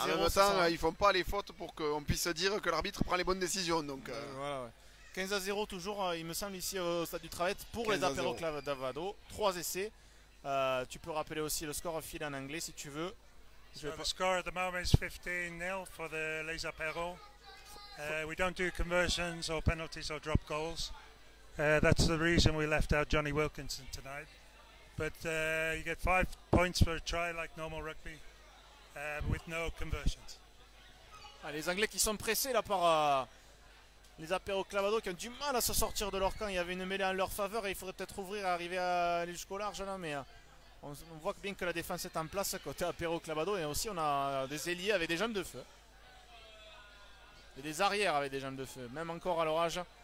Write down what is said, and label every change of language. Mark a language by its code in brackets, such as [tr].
[fr] En même temps, ils font pas les fautes pour qu'on puisse dire que l'arbitre prend les bonnes décisions. Donc, voilà, ouais. 15-0 toujours, il me semble ici au stade du Travette pour les Apéro Club d'Avado. 3 essais, tu peux rappeler aussi le score fil en anglais si tu veux. [en] Le score at the moment is 15-0 pour les Apéro. We don't do conversions or penalties or drop goals. That's the reason we left out Johnny Wilkinson tonight. But you get 5 points for a try like normal rugby, with no conversions. [fr] Ah, les Anglais qui sont pressés là par les Apéro Club Ado qui ont du mal à se sortir de leur camp. Il y avait une mêlée en leur faveur et il faudrait peut-être ouvrir et arriver à aller jusqu'au large là. Mais on voit bien que la défense est en place côté Apéro Club Ado. Et aussi on a des ailiers avec des jambes de feu. Et des arrières avec des jambes de feu, même encore à leur âge.